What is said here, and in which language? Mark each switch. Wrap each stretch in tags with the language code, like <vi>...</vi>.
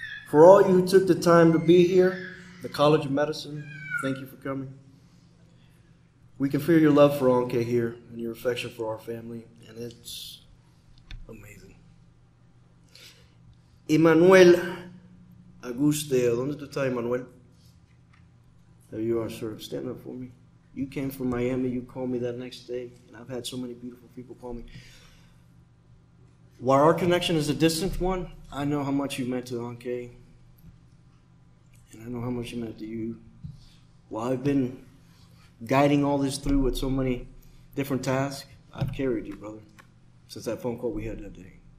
<en>For all you who took the time to be here, the College of Medicine, thank you for coming. We can feel your love for Anh-Kay here and your affection for our family, and it's amazing.</en> <es>Emmanuel Aguste, ¿dónde está Emmanuel?</es> <en>There you are, sir. Stand up for me. You came from Miami. You called me that next day, and I've had so many beautiful people call me. While our connection is a distant one, I know how much you meant to Anh-Kay. And I know how much it meant to you. While I've been guiding all this through with so many different tasks, I've carried you, brother, since that phone call we had that day.</en>